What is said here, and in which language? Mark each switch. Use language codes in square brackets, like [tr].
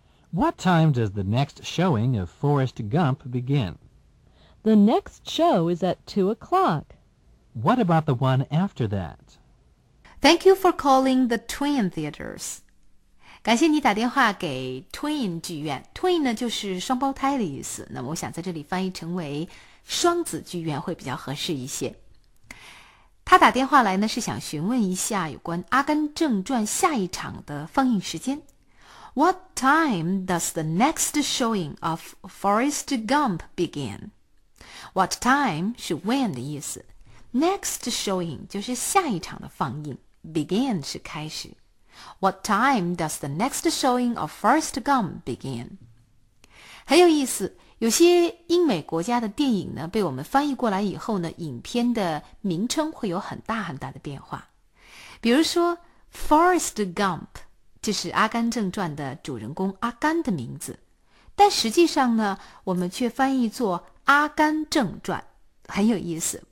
[en] What time does the next showing of Forrest Gump begin? The next show is at 2 o'clock. What about the one after that? Thank you for calling the Twin Theaters. [zh] 感谢你打电话给 Twin 剧院。Twin 呢就是双胞胎的意思。那么我想在这里翻译成为双子剧院会比较合适一些。他打电话来呢，是想询问一下有关《阿甘正传》下一场的放映时间。 [en] What time does the next showing of Forrest Gump begin? [zh] What time 是 when 的意思。 Next showing 就是下一场的放映。 Begin 是开始。 [en] What time does the next showing of Forrest Gump begin? [zh] 很有意思。有些英美国家的电影呢，被我们翻译过来以后呢，影片的名称会有很大很大的变化。比如说 Forrest Gump 就是阿甘正传的主人公阿甘的名字，但实际上呢，我们却翻译作阿甘正传，很有意思。